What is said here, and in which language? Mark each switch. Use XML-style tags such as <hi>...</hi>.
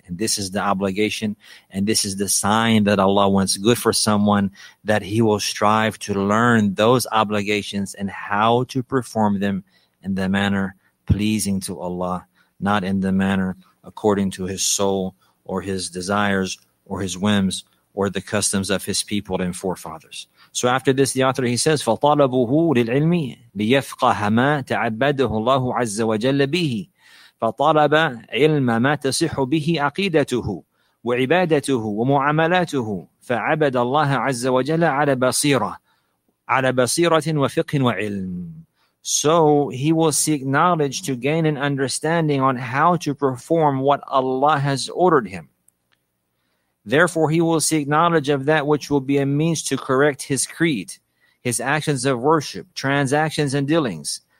<en>And this is the obligation, and this is the sign that Allah wants good for someone, that he will strive to learn those obligations and how to perform them in the manner pleasing to Allah, not in the manner according to his soul or his desires or his whims or the customs of his people and forefathers. So after this, the author, he says,</en> <ar>فَطَلَبُهُ لِلْعِلْمِ لِيَفْقَهَ مَا تَعَبَّدَهُ اللَّهُ عَزَّ وَجَلَّ بِهِ فَطَلَبَ عِلْمَ مَا تَصِحُ بِهِ عَقِيدَتُهُ وَعِبَادَتُهُ وَمُعَامَلَاتُهُ فَعَبَدَ اللَّهَ عَزَّ وَجَلَّ عَلَى بَصِيرَةٍ وَفِقْهٍ وَعِلْمٍ.</ar> <en>So he will seek knowledge to gain an understanding on how to perform what Allah has ordered him. Therefore, he will seek knowledge of that which will be a means to correct his creed, his actions of worship, transactions and dealings.</en>